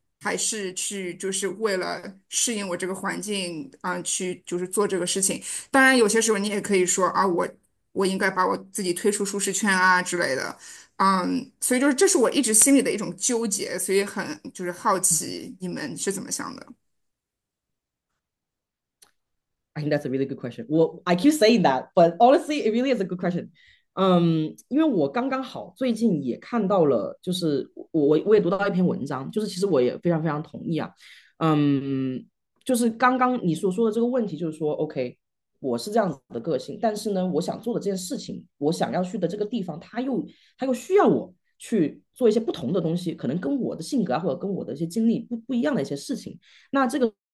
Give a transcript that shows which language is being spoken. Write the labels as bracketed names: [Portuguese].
[Chinese] 还是去就是为了适应我这个环境啊，去就是做这个事情。当然，有些时候你也可以说啊，我应该把我自己推出舒适圈啊之类的。所以就是这是我一直心里的一种纠结，所以很就是好奇你们是怎么想的。 [English] I think that's a really good question. [Chinese] 我 [English] I keep saying that, but honestly, it really is a good question. [Chinese] 因为我刚刚好最近也看到了，就是我也读到一篇文章，就是其实我也非常非常同意啊。就是刚刚你所说的这个问题，就是说，OK，我是这样子的个性，但是呢，我想做的这件事情，我想要去的这个地方，他又需要我去做一些不同的东西，可能跟我的性格啊，或者跟我的一些经历不一样的一些事情，那这个。